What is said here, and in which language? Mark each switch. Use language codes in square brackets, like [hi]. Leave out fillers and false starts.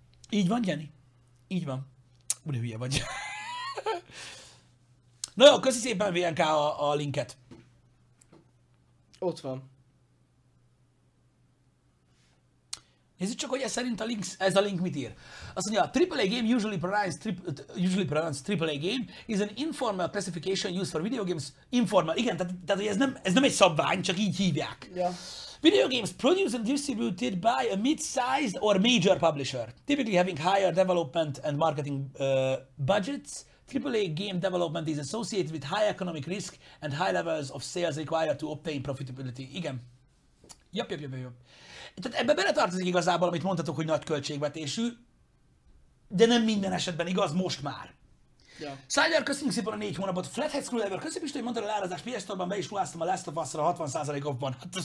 [hu] Így van, Jenny. Így van. Ugye hülye vagy. Na jó, köszi szépen VNK a linket. Ott van. Nézzük csak, hogy ez szerint a link, ez a link mit ír. Azt mondja, a [en] AAA game usually pronounced AAA game is an informal classification used for video games. [hu] Informal, igen, tehát hogy ez nem egy szabvány, csak így hívják. Ja. [en] Video games produced and distributed by a mid-sized or major publisher, typically having higher development and marketing budgets. AAA game development is associated with high economic risk and high levels of sales required to obtain profitability. [hu] Igen. Jobb. Tehát ebbe beletartozik igazából, amit mondtatok, hogy nagy költségvetésű, de nem minden esetben igaz, most már. Ja. Szájdár, köszönjük szépen a 4 hónapot. Flathead Screwdriver, köszönjük is, hogy mondtad a leárazást PS Store-ban, be is ruháztam a Last of Us-ra 60%-ban.